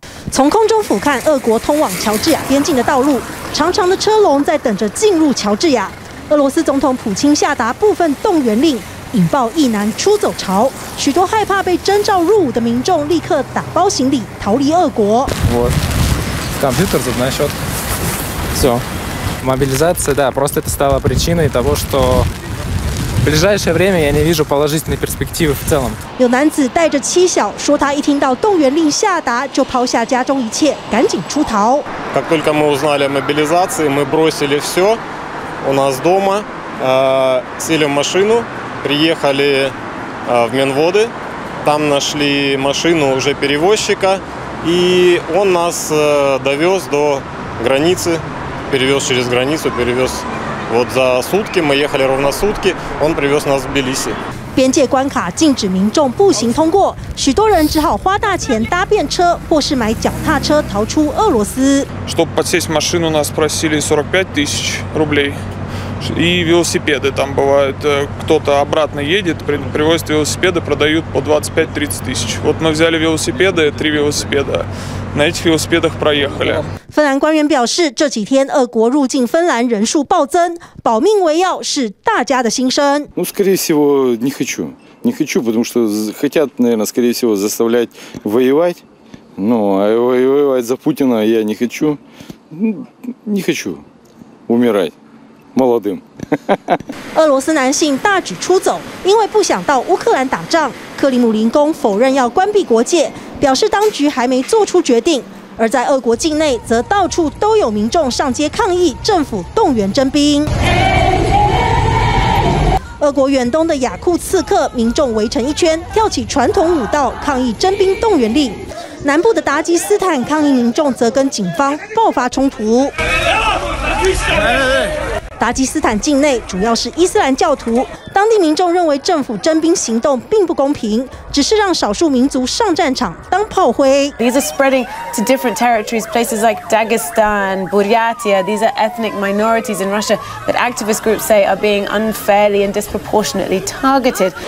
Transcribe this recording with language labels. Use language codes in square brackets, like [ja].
[zh] 从空中俯瞰俄国通往乔治亚边境的道路，长长的车龙在等着进入乔治亚。俄罗斯总统普京下达部分动员令，引爆一男出走潮，许多害怕被征召入伍的民众立刻打包行李逃离俄国。 [ru] Компьютер за мой счет. Все. Мобилизация, да, просто это стало причиной того, что в ближайшее время я не вижу положительной перспективы в целом. [zh] 有男子带着妻小，说他一听到动员令下达，就抛下家中一切，赶紧出逃。 [ru] Как только мы узнали о мобилизации, мы бросили все у нас дома, сели в машину, приехали в Минводы, там нашли машину уже перевозчика, и он нас довез до границы, перевез через границу, перевез вот за сутки, мы ехали ровно сутки, он привез нас в Тбилиси. [zh] 边界关卡禁止民众步行通过，许多人只好花大钱搭便车，或是买脚踏车逃出俄罗斯。 [ru] Чтобы подсесть в машину, нас просили 45 тысяч рублей. И велосипеды там бывают. Кто-то обратно едет, привозит велосипеды, продают по 25-30 тысяч. Вот мы взяли велосипеды, три велосипеда. [zh] 那些车子都开了。芬兰官员表示，这几天俄国入境芬兰人数暴增，保命为要是大家的心声。 [ru] Ну, скорее всего, не хочу. Не хочу, потому что хотят, наверное, скорее всего, заставлять воевать. Ну, а воевать за Путина я не хочу. Не хочу умирать. молодым. [zh] 俄罗斯男性大举出走，因为不想到乌克兰打仗。克里姆林宫否认要关闭国界，表示当局还没做出决定。而在俄国境内，则到处都有民众上街抗议政府动员征兵。俄国远东的雅库茨克，民众围成一圈，跳起传统舞蹈抗议征兵动员令。南部的达吉斯坦，抗议民众则跟警方爆发冲突。达吉斯坦境内主要是伊斯兰教徒，当地民众认为政府征兵行动并不公平，只是让少数民族上战场当炮灰。 [en] These are spreading to different territories, places like Dagestan, Buryatia. These are ethnic minorities in Russia that activist groups say are being unfairly and disproportionately targeted.